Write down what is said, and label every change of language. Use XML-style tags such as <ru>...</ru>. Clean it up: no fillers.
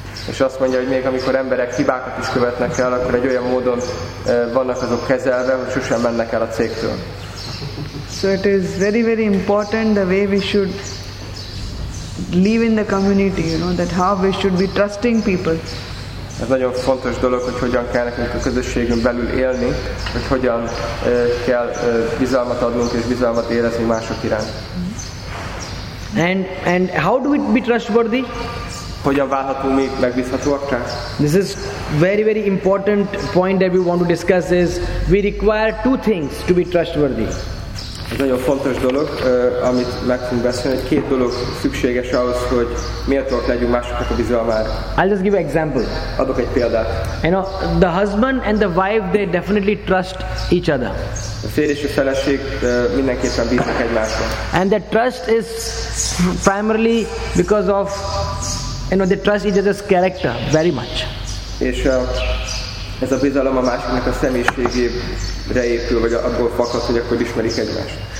<hu>És azt mondja, hogy még amikor emberek hibákat is követnek el, akkor egy olyan módon vannak azok kezelve, hogy sosem mennek el a cégtől.</hu> <en>So it is very, very important the way we should live in the community, you know, that how we should be trusting people.</en> <hu>Ez nagyon fontos dolog, hogy hogyan kell nekünk a közösségünk belül élni, hogy hogyan kell bizalmat adnunk és bizalmat érezni mások iránt.</hu> <en>And how do we be trustworthy?</en> <hu>Hogyan válhatunk mi megbízhatóakká?</hu> <en>This is very, very important point that we want to discuss is we require two things to be trustworthy.</en> <hu>Ez nagyon fontos dolog, amit meg fogunk beszélni, hogy két dolog szükséges ahhoz, hogy méltóak legyünk másoknak a bizalmára.</hu> <en>I'll just give an example.</en> <hu>Adok egy példát.</hu> <en>You know, the husband and the wife, they definitely trust each other.</en> <hu>A férj és a feleség mindenképpen bíznak egymásra.</hu> <en>And that trust is primarily because of, you know, they trust each other's character very much.</en> <hu>És ez a bizalom a másiknak a személyiségére épül, vagy abból fakad, hogy akkor ismerik egymást.</hu>